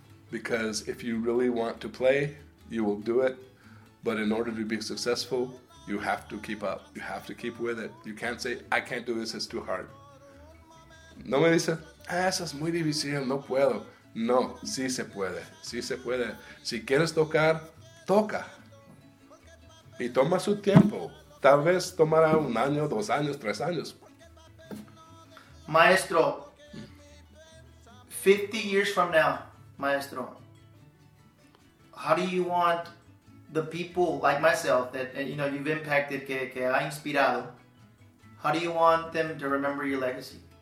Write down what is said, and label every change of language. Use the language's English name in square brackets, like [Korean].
[English] Because if you really want to play, you will do it. But in order to be successful, you have to keep up. You have to keep with it. You can't say, I can't do this, it's too hard. [Spanish] No me dice, eso es muy difícil, no puedo. No, sí se puede, sí se puede. Si quieres tocar, toca. Y toma su tiempo. Tal vez tomará un año, dos años, tres años. [English] Maestro, 50 years from now, maestro, how do you want the people like myself that, you know, you've impacted, [Spanish] que ha inspirado, [English] how do you want them to remember your legacy?